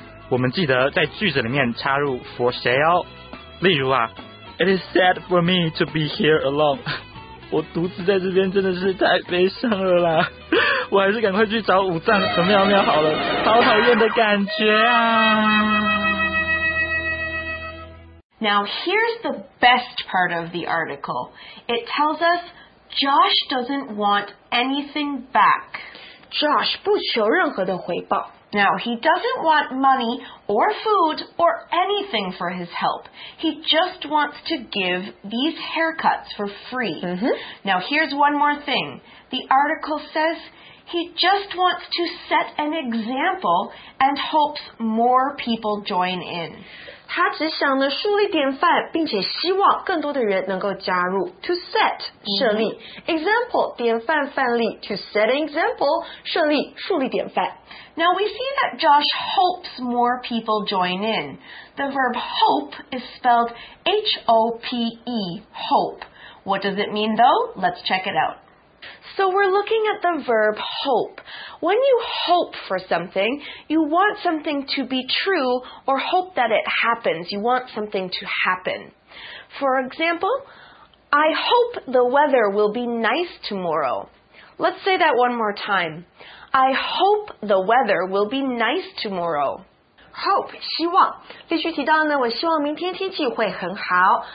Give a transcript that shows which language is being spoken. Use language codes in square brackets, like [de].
[zh] 我们记得在句子里面插入 for 谁哦。例如啊， [en] It is sad for me to be here alone. [zh] 我独自在这边真的是太悲伤了啦，我还是赶快去找五藏和妙妙好了，好讨厌的感觉啊。 [en] Now here's the best part of the article. It tells us Josh doesn't want anything back. [zh] Josh 不求任何的回报。 [en] Now he doesn't want money or food or anything for his help. He just wants to give these haircuts for free. Mm-hmm. Now here's one more thing. The article says he just wants to set an example and hopes more people join in. [zh] 他只想呢树立典范，并且希望更多的人能够加入。 To set 设立、example 典范范例。 To set an example 设立树立典范。 [en] Now we see that Josh hopes more people join in. The verb hope is spelled H-O-P-E, hope. What does it mean though? Let's check it out. So we're looking at the verb hope. When you hope for something, you want something to be true or hope that it happens. You want something to happen. For example, I hope the weather will be nice tomorrow. Let's say that one more time. I hope the weather will be nice tomorrow. [zh] Hope, 希望。例句提到呢，我希望明天天气会很好。